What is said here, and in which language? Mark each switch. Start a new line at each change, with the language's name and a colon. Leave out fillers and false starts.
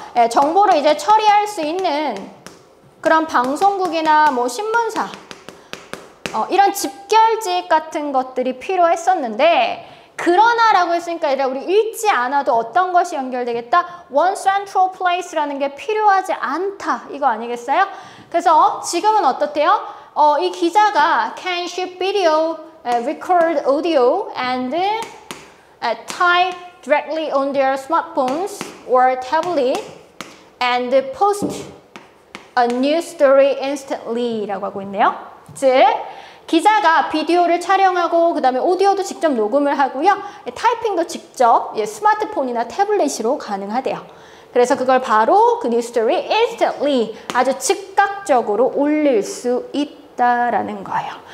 Korean: 예, 정보를 이제 처리할 수 있는 그런 방송국이나 뭐 신문사, 이런 집결지 같은 것들이 필요했었는데, 그러나 라고 했으니까 얘들아, 우리 읽지 않아도 어떤 것이 연결되겠다?
English: One central place
Korean: 라는 게 필요하지 않다, 이거 아니겠어요? 그래서 지금은 어떻대요? 이 기자가
English: can shoot video, record audio and type directly on their smartphones or tablet and post a news story instantly
Korean: 라고 하고 있네요. 즉, 기자가 비디오를 촬영하고 그 다음에 오디오도 직접 녹음을 하고요. 타이핑도 직접 스마트폰이나 태블릿으로 가능하대요. 그래서 그걸 바로 그 뉴스 스토리 instantly, 아주 즉각적으로 올릴 수 있다라는 거예요.